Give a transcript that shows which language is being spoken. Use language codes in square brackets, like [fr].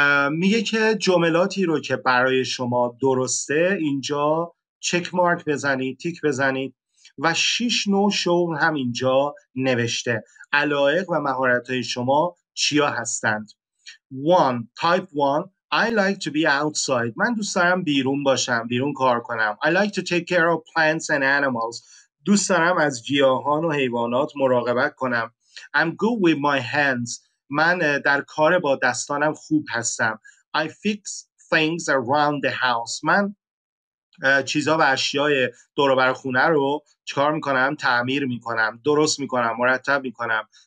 [fa] میگه که جملاتی رو که برای شما درسته اینجا چک مارک بزنید، تیک بزنید، و 6 نوع شغل هم اینجا نوشته. علایق و مهارت‌های شما چیا هستند؟ 1. [en] Type 1. I like to be outside. [fa] من دوست دارم بیرون باشم، بیرون کار کنم. [en] I like to take care of plants and animals. [fa] دوست دارم از گیاهان و حیوانات مراقبت کنم. [en] I'm good with my hands. [fa] من در کار با دستانم خوب هستم. [en] I fix things around the house. [fa] من چیزا و اشیای دوروبر خونه رو چکار میکنم؟ تعمیر میکنم، درست میکنم، مرتب میکنم.